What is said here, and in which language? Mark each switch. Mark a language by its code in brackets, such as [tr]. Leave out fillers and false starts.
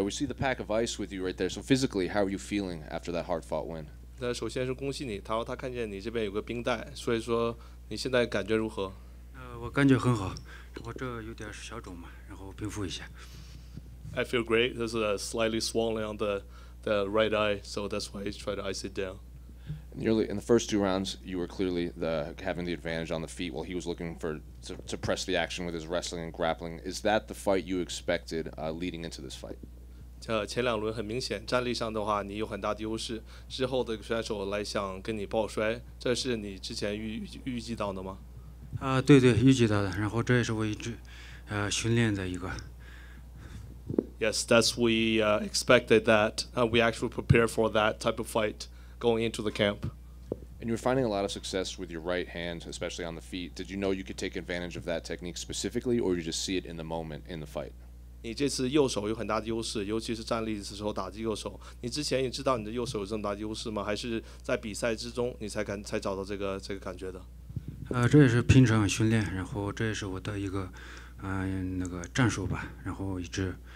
[en] We see the pack of ice with you right there. So physically, how are you feeling after that hard-fought win? [zh] 首先是恭喜你，他说他看见你这边有个冰袋，所以说你现在感觉如何？我感觉很好，我这有点小肿嘛，然后平复一下。 [en] I feel great. There's a slightly swelling on the right eye, so that's why he's trying to ice it down. In the first two rounds, you were clearly having the advantage on the feet while he was looking to press the action with his wrestling and grappling. Is that the fight you expected leading into this fight? [zh] 前两轮很明显，站立上的话你有很大的优势，之后的选手来想跟你抱摔，这是你之前预计到的吗？对对，预计到的，然后这也是我一直训练的一个。 [en] Yes, that's we expected that. We actually prepared for that type of fight going into the camp. And you were finding a lot of success with your right hand, especially on the feet. Did you know you could take advantage of that technique specifically, or you just see it in the moment in the fight? [zh] 你这次右手有很大的优势，尤其是站立的时候打击右手。你之前也知道你的右手有这么大的优势吗？还是在比赛之中你才找到这个感觉的？这也是平常训练，然后这也是我的一个战术吧，然后一直。